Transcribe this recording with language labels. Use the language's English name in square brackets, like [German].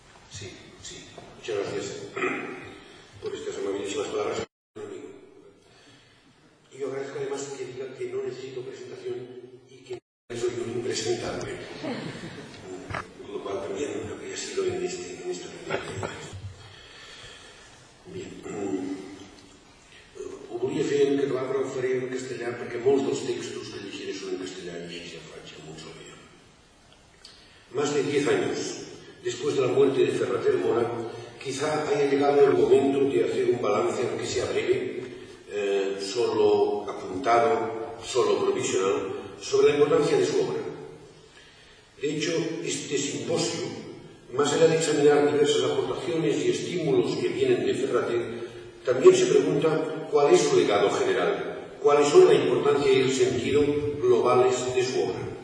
[Spanish] Sí, sí, muchas gracias por estas amabilísimas palabras. Yo agradezco además que diga que no necesito presentación y que no soy un impresentable, lo cual también habría sido en este momento. [Catalan] Bien, hubiera fet que l'obra ho faria en castellà perquè molts dels textos que llegiré són en castellà i així ja faig amb un sol dia. [Spanish] Más de 10 anys después de la muerte de Ferrater Mora, quizá haya llegado el momento de hacer un balance, aunque sea breve, solo apuntado, solo provisional, sobre la importancia de su obra. De hecho, este simposio, más allá de examinar diversas aportaciones y estímulos que vienen de Ferrater, también se pregunta cuál es su legado general, cuáles son la importancia y el sentido globales de su obra.